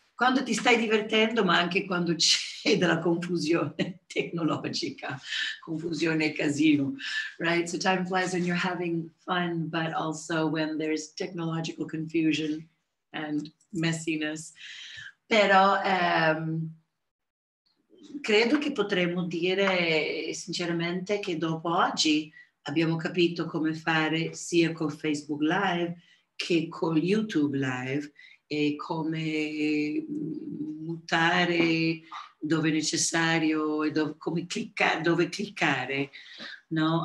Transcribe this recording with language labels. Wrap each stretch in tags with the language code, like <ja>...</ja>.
<it>Quando ti stai divertendo, ma anche quando c'è della confusione tecnologica, confusione e casino, right?</it> <en>So time flies when you're having fun, but also when there's technological confusion and messiness.</en> <it>Però credo che potremmo dire sinceramente che dopo oggi abbiamo capito come fare sia con Facebook Live che con YouTube Live e come mutare dove è necessario e dove cliccare, no?</it>